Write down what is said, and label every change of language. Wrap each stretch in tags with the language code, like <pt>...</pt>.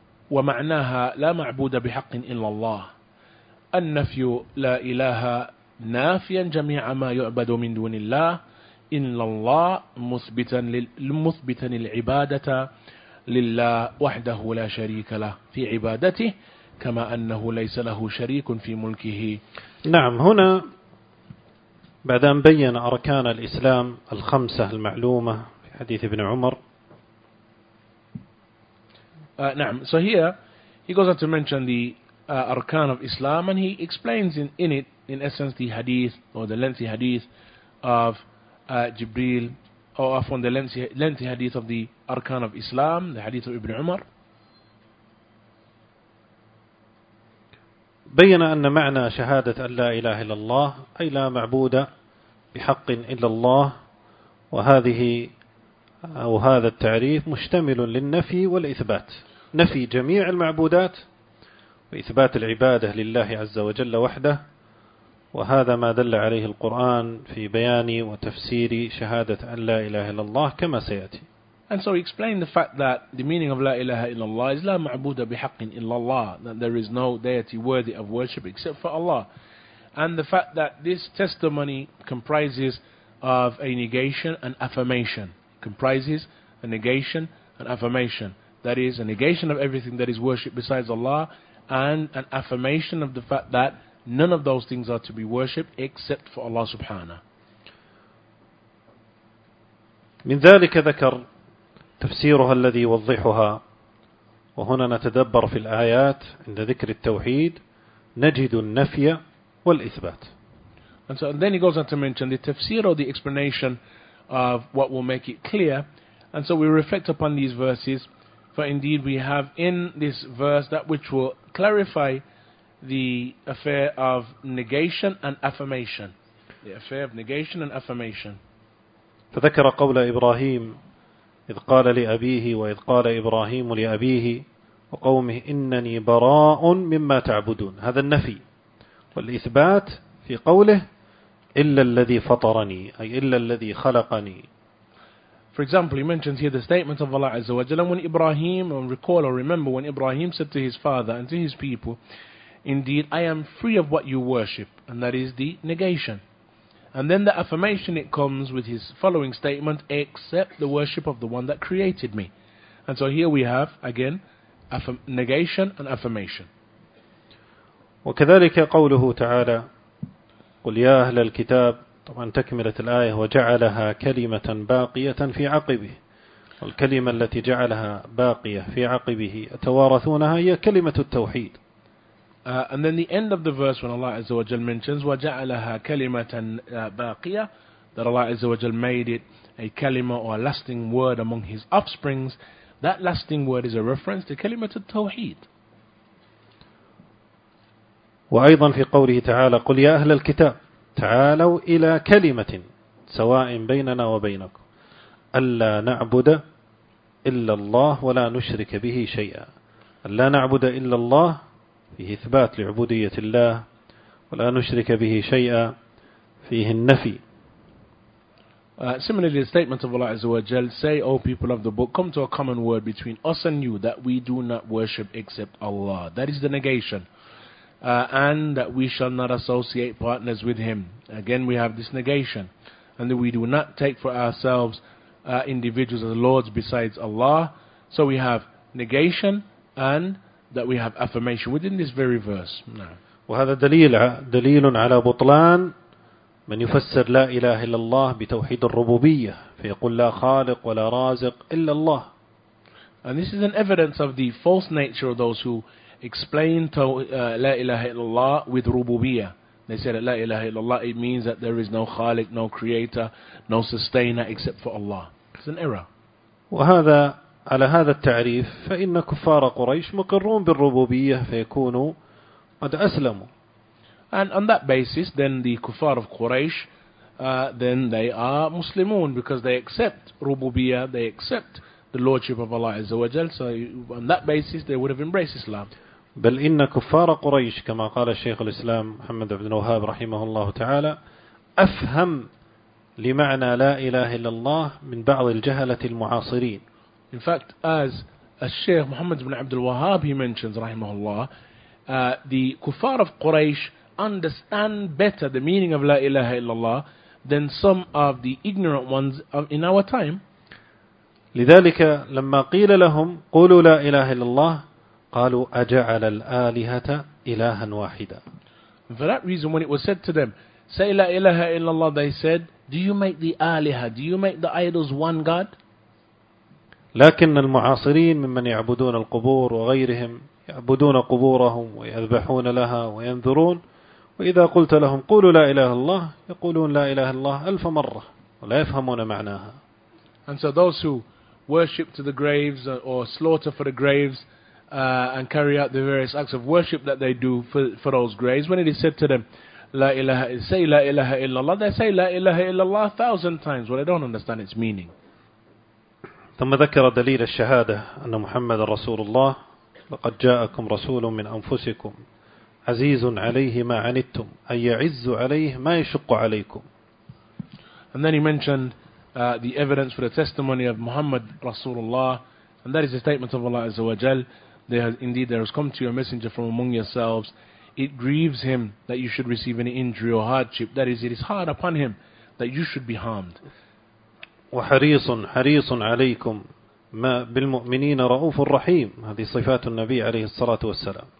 <ar>ومعناها لا معبود بحق إلا الله النفي لا إله نافيا جميع ما يعبد من دون الله إلا الله مثبتا العبادة لله وحده لا شريك له في عبادته كما أنه ليس له شريك في ملكه نعم هنا بعد أن بين أركان الإسلام الخمسة المعلومة في حديث ابن عمر نعم</ar> <en>so here he goes on to mention the أركان of Islam and he explains in it in essence the hadith or the lengthy hadith of Jibreel or of the lengthy hadith of the أركان of Islam the hadith of ابن عمر</en> <ar>بين أن معنى شهادة أن لا إله إلا الله أي لا معبودة بحق إلا الله وهذه أو هذا التعريف مشتمل للنفي والإثبات نفي جميع المعبودات وإثبات العبادة لله عز وجل وحده وهذا ما دل عليه القرآن في بيان وتفسير شهادة أن لا إله إلا الله كما سيأتي</ar> <en>And so we explain the fact that the meaning of</en> <ar>لا إله إلا الله</ar> <en>is</en> <ar>لا معبود بحق إلا الله</ar> <en>that there is no deity worthy of worship except for Allah And the fact that this testimony comprises of a negation and affirmation. Comprises a negation and affirmation. That is, a negation of everything that is worshipped besides Allah and an affirmation of the fact that none of those things are to be worshipped except for Allah subhanahu.</en> <ar>من ذلك ذكر تفسيرها الذي يوضحها وهنا نتدبر في الآيات عند ذكر التوحيد نجد النفي والإثبات.</ar> <en>And so, and then he goes on to mention the tafsir or the explanation of what will make it clear. And so we reflect upon these verses, for indeed we have in this verse that which will clarify the affair of negation and affirmation. The affair of negation and affirmation.</en> <ar>فذكر قول إبراهيم إذ قال لأبيه وإذ قال إبراهيم لأبيه وقومه إنني براء مما تعبدون. هذا النفي. والإثبات في قوله إلا الذي فطرني أي إلا الذي خلقني</ar> <en>For example, he mentions here the statement of Allah Azza wa Jalla when Ibrahim, and recall or remember when Ibrahim said to his father and to his people Indeed, I am free of what you worship and that is the negation And then the affirmation it comes with his following statement Except the worship of the one that created me And so here we have again negation and affirmation</en> <ar>وكذلك قوله تعالى قل يا أهل الكتاب طبعا تكملت الآية وجعلها كلمة باقية في عقبه والكلمة التي جعلها باقية في عقبه أتوارثونها هي كلمة التوحيد</ar> <en>and then the end of the verse when Allah Azza wa Jal mentions</en> <ar>وجعلها كلمة باقية</ar> <en>that Allah Azza wa Jal made it a kalima or a lasting word among his offsprings that lasting word is a reference to</en> <ar>كلمة التوحيد وأيضا في قوله تعالى قل يا أهل الكتاب تعالوا إلى كلمة سواء بيننا وبينكم ألا نعبد إلا الله ولا نشرك به شيئا ألا نعبد إلا الله فيه إثبات لعبودية الله ولا نشرك به شيئا فيه النفي</ar> <en>Similarly, the statement of Allah Azza wa Jal say, O people of the book, come to a common word between us and you that we do not worship except Allah. That is the negation. and that we shall not associate partners with him. Again, we have this negation. And that we do not take for ourselves individuals as lords besides Allah. So we have negation and that we have affirmation within this very verse.</en> <ar>وهذا دليل على بطلان من يفسر لا إله إلا الله بتوحيد الربوبية فيقول لا خالق ولا رازق إلا الله.</ar> <en>And this is an evidence of the false nature of those who explain</en> <ar>لا إله إلا الله</ar> <en>with ربوبية. They say that</en> <ar>لا إله إلا الله,</ar> <en>it means that there is no خالق, no creator, no sustainer except for Allah. It's an error.</en> <ar>وهذا على هذا التعريف فإن كفار قريش مقرون بالربوبية فيكونوا قد أسلموا.</ar> <en>And on that basis, then the kuffar of Quraysh, then they are Muslimun because they accept Rububiyya, they accept the lordship of Allah Azza wa Jal. So on that basis, they would have embraced Islam.</en> <ar>بل إن كفار قريش كما قال الشيخ الإسلام محمد بن وهاب رحمه الله تعالى أفهم لمعنى لا إله إلا الله من بعض الجهلة المعاصرين.</ar> <en>In fact, as الشيخ محمد بن عبد الوهاب he mentions</en> <ar>رحمه الله,</ar> <en>the kuffar of Quraysh understand better the meaning of La ilaha illallah than some of the ignorant ones in our time.</en> <ar>لذلك لما قيل لهم قولوا لا إله إلا الله قالوا أجعل الآلهة إلها واحدة.</ar> <en>And for that reason, when it was said to them, say La ilaha illallah, they said, do you make the آلهة, do you make the idols one God?</en> <ar>لكن المعاصرين ممن يعبدون القبور وغيرهم يعبدون قبورهم ويذبحون لها وينذرون وإذا قلت لهم قولوا لا إله الله يقولون لا إله الله ألف مرة ولا يفهمون معناها.</ar> <en>And so those who worship to the graves or slaughter for the graves and carry out the various acts of worship that they do for those graves, when it is said to them</en> <ar>لا إله</ar> <en>say</en> <ar>لا إله إلا الله,</ar> <en>they say لا إله إلا الله 1,000 times, well, they don't understand its meaning.</en> <ar>ثم ذكر دليل الشهادة أن محمد رسول الله لقد جاءكم رسول من أنفسكم عزيز عليه ما عنتم أي يعز عليه ما يشق عليكم.</ar> <en>And then he mentioned the evidence for the testimony of Muhammad Rasulullah, and that is the statement of Allah Azza wa Jal, there has come to you a messenger from among yourselves, it grieves him that you should receive any injury or hardship, that is, it is hard upon him that you should be harmed.</en> <ar>وحريص عليكم ما بالمؤمنين رؤوف الرحيم, هذه صفات النبي عليه الصلاة والسلام.</ar>